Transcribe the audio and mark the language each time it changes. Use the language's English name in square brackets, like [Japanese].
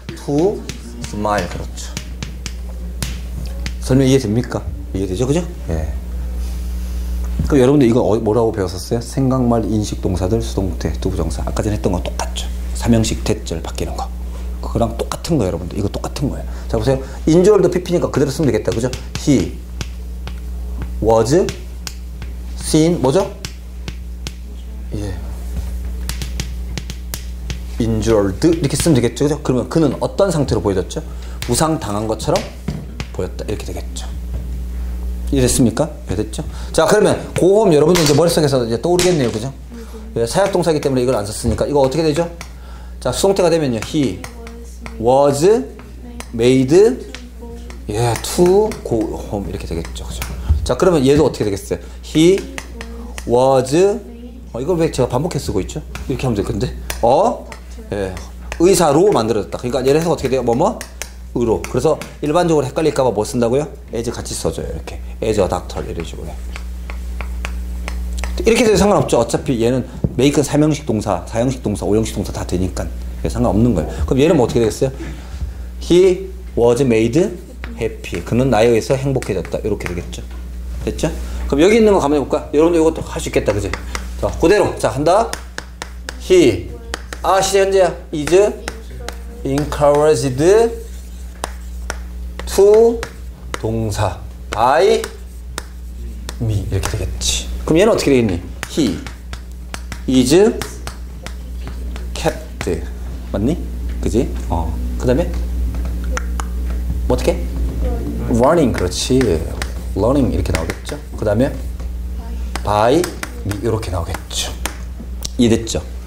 [English] to smile. [Korean] 그렇죠. 설명 이해됩니까? 이해되죠? 그죠? 예. 그럼 여러분들 이거 뭐라고 배웠었어요? 생각말 인식 동사들 수동태 두부정사. 아까 전에 했던 거 똑같죠. 삼형식 대절 바뀌는 거. 그거랑 똑같은 거예요, 여러분들. 이거 똑같은 거예요. 자, 보세요. 인조얼도 PP니까 그대로 쓰면 되겠다. 그죠? [English] he was seen [Korean] 뭐죠? 예. injured 이렇게 쓰면 되겠죠. 그죠? 그러면 그는 어떤 상태로 보여졌죠? 부상 당한 것처럼 보였다. 이렇게 되겠죠. 이해됐습니까? 이해됐죠? 자, 그러면 고음 여러분들 이제 머릿속에서 이제 떠오르겠네요. 그죠? 예, 사역 동사이기 때문에 이걸 안 썼으니까 이거 어떻게 되죠? 자, 수동태가 되면요. [English] he was made yeah, to go home [Korean] 이렇게 되겠죠. 그죠? 자, 그러면 얘도 어떻게 되겠어요? [English] He was [Korean] 이걸 왜 제가 반복해 쓰고 있죠? 이렇게 하면 되는데 어? 예, 의사로 만들어졌다. 그러니까 얘를 해서 어떻게 돼요? 뭐뭐? 으로. 그래서 일반적으로 헷갈릴까봐 뭐 쓴다고요? as 같이 써줘요. 이렇게 [English] as a doctor [Korean] 이런 식으로 이렇게 돼도 상관없죠. 어차피 얘는 make 3형식 동사, 4형식 동사, 5형식 동사 다 되니까 상관없는 거예요. 그럼 얘는 뭐 어떻게 되겠어요? [English] He was made happy. [Korean] 그는 나에 의해서 행복해졌다. 이렇게 되겠죠. 됐죠? 그럼 여기 있는 거 가만히 볼까? 여러분도 이것도 할 수 있겠다. 그지? 자, 그대로. 자, 한다. [English] He. [Korean] 아, 시제 현재야. [English] Is encouraged to 동사 by me. [Korean] 이렇게 되겠지. 그럼 얘는 어떻게 되겠니? [English] He is kept. [Korean] 맞니? 그지? 어. 그 다음에? 뭐 어떻게? [English] Running. [Korean] 그렇지. [English] Learning. [Korean] 이렇게 나오겠죠. 그 다음에? [English] By me. [Korean] 이렇게 나오겠죠. 이해됐죠?